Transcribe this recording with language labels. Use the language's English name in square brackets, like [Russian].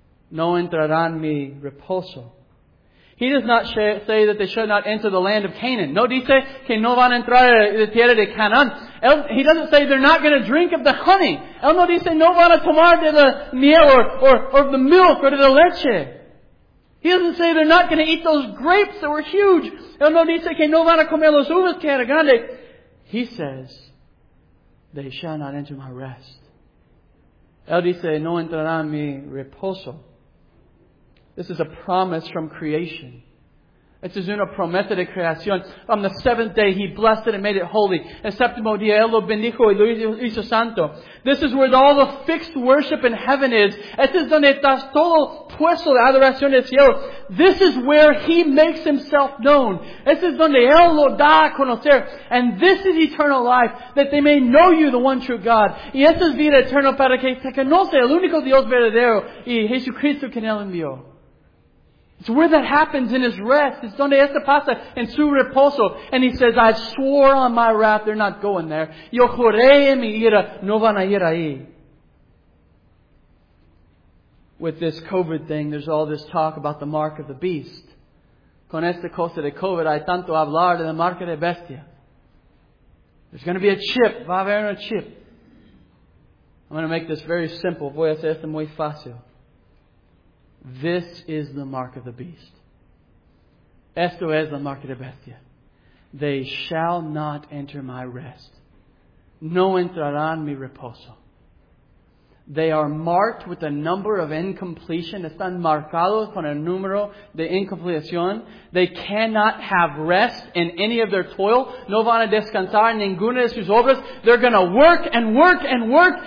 [Spanish] No entrarán mi reposo. [English] He does not say that they should not enter the land of Canaan. [Spanish] No dice que no van a entrar a la tierra de Canaan. [English] He doesn't say they're not going to drink of the honey. [Spanish] Él no dice no van a tomar de la miel [English] or the milk or [Spanish] de la leche. [English] He doesn't say they're not going to eat those grapes that were huge. [Spanish] Él no dice que no van a comer los uvas que eran grandes. [English] He says, they shall not enter my rest. [Spanish] Él dice, no entrarán mi reposo. [English] This is a promise from creation. [Spanish] Esto es una promesa de creación. [English] On the seventh day, He blessed it and made it holy. [Spanish] El séptimo día, Él lo bendijo y lo hizo santo. [English] This is where all the fixed worship in heaven is. [Spanish] Esto es donde está todo puesto de adoración del cielo. [English] This is where He makes Himself known. [Spanish] Esto es donde Él lo da a conocer. [English] And this is eternal life, that they may know You, the one true God. [Spanish] Y esto es vida eterna para que se conoce el único Dios verdadero y Jesucristo que Él envió. [English] It's where that happens in His rest. It's [Spanish] donde esta pasa en su reposo. [English] And He says, I swore on my wrath they're not going there. [Spanish] Yo juré en mi ira, no van a ir ahí. [English] With this COVID thing, there's all this talk about the mark of the beast. [Spanish] Con esta cosa de COVID, hay tanto hablar de la marca de bestia. [English] There's going to be a chip. [Spanish] Va a haber un chip. [English] I'm going to make this very simple. [Spanish] Voy a hacer esto muy fácil. [English] This is the mark of the beast. [Spanish] Esto es la marca de bestia. [English] they shall not enter my rest. [Spanish] No entrarán mi reposo. [English] They are marked with a number of incompletion. [Spanish] Están marcados con el número de incompletación. [English] They cannot have rest in any of their toil. [Spanish] No van a descansar en ninguna de sus obras. [English] They're going to work and work and work.